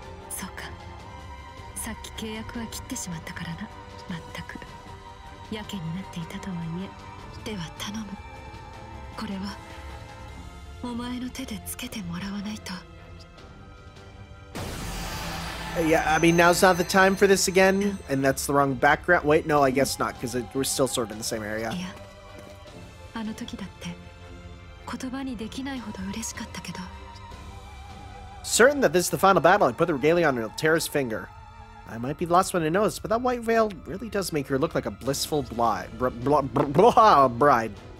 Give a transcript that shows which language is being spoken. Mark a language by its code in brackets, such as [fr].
[ja] さっき契約は切ってしまったからな。まったくやけになっていたとはいえ。では頼む。これはお前の手でつけてもらわないと。 [en] Yeah, I mean, now's not the time for this again, and that's the wrong background. Wait, no, I guess not, because we're still sort of in the same area. [ja] Yeah. あの時だって言葉にできないほど嬉しかったけど。 [en] Certain that this is the final battle, I put the regalia on Altera's finger. I might be the last one to notice, but that white veil really does make her look like a blissful bride.